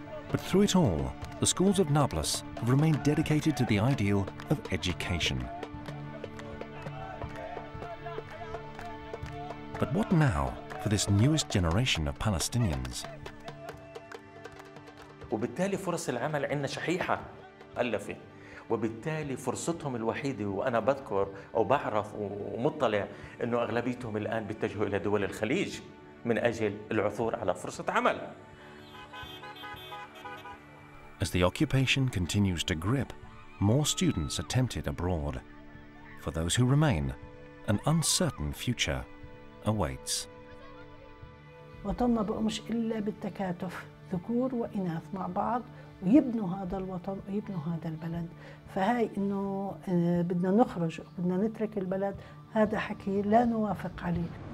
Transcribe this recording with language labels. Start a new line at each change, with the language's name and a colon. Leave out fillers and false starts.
English: But through it all, the schools of Nablus have remained dedicated to the ideal of education. But what now for this newest generation of Palestinians?
Arabic: وبالتالي فرص العمل عندنا شحيحة ألفة وبالتالي فرصتهم الوحيدة وأنا بذكر أو بعرف ومطلع أنه أغلبيتهم الآن بيتجهوا إلى دول الخليج من أجل العثور على فرصة عمل.
English: As the occupation continues to grip, more students attempted abroad. For those who remain, an uncertain future awaits.
Arabic: وطننا بقى مش إلا بالتكاتف ذكور وإناث مع بعض ويبنوا هذا الوطن ويبنوا هذا البلد فهاي إنه بدنا نخرج بدنا نترك البلد هذا حكي لا نوافق عليه